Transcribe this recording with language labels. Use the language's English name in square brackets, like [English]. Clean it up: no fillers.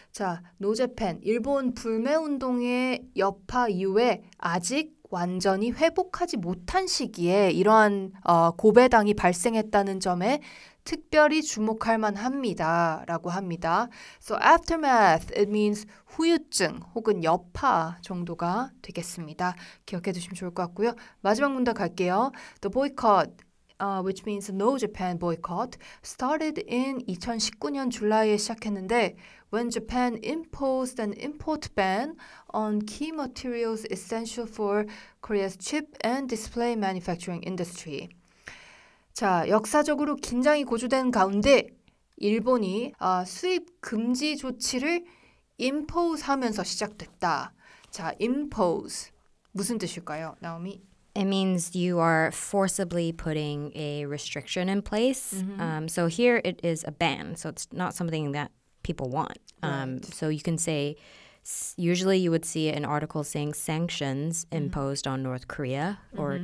[Korean] 자, No Japan, 일본 불매운동의 여파 이후에 아직 완전히 회복하지 못한 시기에 이러한 고배당이 발생했다는 점에 특별히 주목할 만합니다. 라고 합니다. [English] So aftermath, it means [Korean] 후유증 혹은 여파 정도가 되겠습니다. 기억해 두시면 좋을 것 같고요. 마지막 문단 갈게요. [English] The boycott, which means No Japan boycott, started in [Korean] 2019년 July에 시작했는데 [English] when Japan imposed an import ban on key materials essential for Korea's chip and display manufacturing industry. [Korean] 자, 역사적으로 긴장이 고조된 가운데 일본이 수입 금지 조치를 impose 하면서 시작됐다. 자, impose 무슨 뜻일까요, Naomi? [English] It means you are forcibly putting a restriction in place. Mm-hmm. So here it is a ban, so it's not something that people want. Right. So you can say, usually you would see an article saying sanctions imposed mm-hmm. on North Korea or mm-hmm.